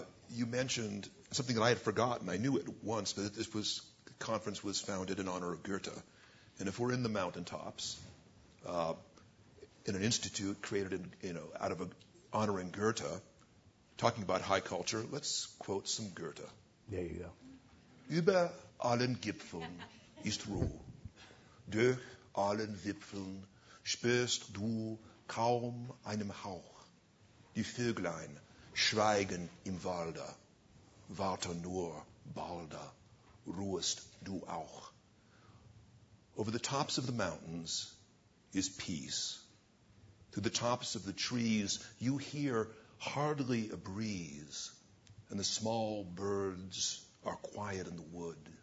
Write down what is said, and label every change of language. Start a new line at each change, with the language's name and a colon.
English: You mentioned something that I had forgotten. I knew it once, but the conference was founded in honor of Goethe. And if we're in the mountaintops, in an institute created honoring Goethe, talking about high culture, let's quote some Goethe. There you go.
German: Über allen Gipfeln ist Ruhe. Durch allen Wipfeln spürst du kaum einem Hauch. Die Vöglein schweigen im Walde. Warte nur, balde, ruhest du auch.
English: Over the tops of the mountains is peace. Through the tops of the trees you hear hardly a breeze, and the small birds are quiet in the wood.